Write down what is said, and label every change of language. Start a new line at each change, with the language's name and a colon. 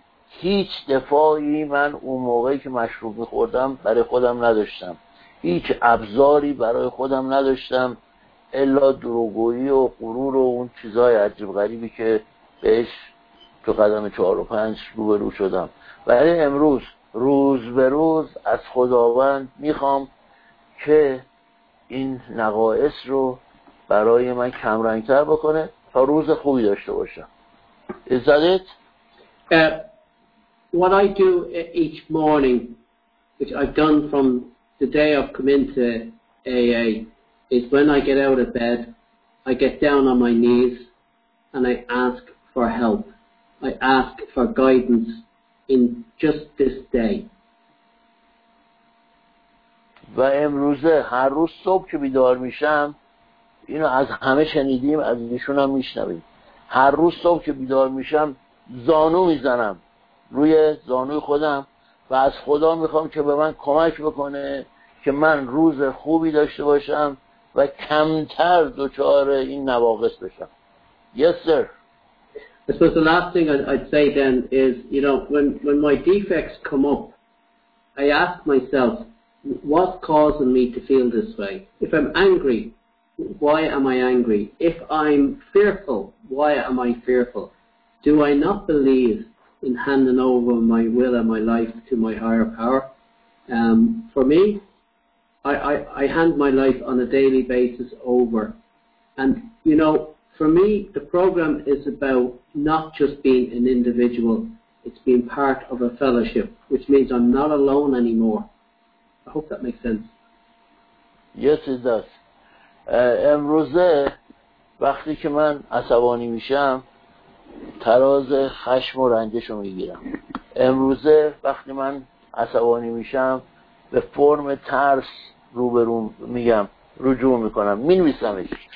Persian: هیچ دفاعی من اون موقعی که مشروب میخوردم برای خودم نداشتم، هیچ ابزاری برای خودم نداشتم الا دروغگویی و غرور و اون چیزهای عجیب غریبی که بهش تو قدم 4 و 5 روبرو شدم. ولی امروز روز به روز از خداوند میخوام که این نقایص رو برای من کمرنگتر بکنه تا روز خوبی داشته باشم.
English: Is that it? What I do each morning, which I've done from the day I've come into AA, is when I get out of bed, I get down on my knees and I ask for help. I ask for guidance in just this day. و امروزه هر روز صبح که بیدار میشم، اینو از همه شنیدیم، از ایشون هم میشنویم، هر روز صبح که بیدار میشم زانو میزنم روی زانوی خودم و از خدا میخوام که به من کمک بکنه که من روز خوبی داشته باشم و کمتر دچار این نواقص بشم. Yes, sir. I suppose the last thing I'd say then is, you know, when my defects come up, I ask myself, what's causing me to feel this way? If I'm angry, why am I angry? If I'm fearful, why am I fearful? Do I not believe in handing over my will and my life to my higher power? For me, I hand my life on a daily basis over. And, you know, for me, the program is about not just being an individual, it's being part of a fellowship, which means I'm not alone anymore. I hope that makes sense. Yes, it does.
Persian: امروزه وقتی که من عصبانی میشم تراز خشم و رنجش رو میگیرم. امروزه وقتی من عصبانی میشم به فرم ترس روبرو میگم رجوع میکنم، مینویسمش.